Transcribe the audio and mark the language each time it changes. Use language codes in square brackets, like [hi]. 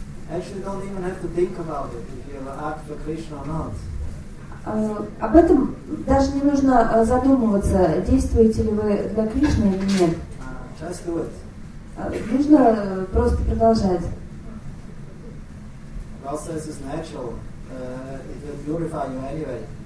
[en] Actually, don't even have to think about it if you act for Krishna or not. [ru] Об этом даже не нужно задумываться, действуете ли вы для Кришны или нет. [en] Just do it. [ru] Нужно просто продолжать. [en] Process is natural. It will purify you anyway.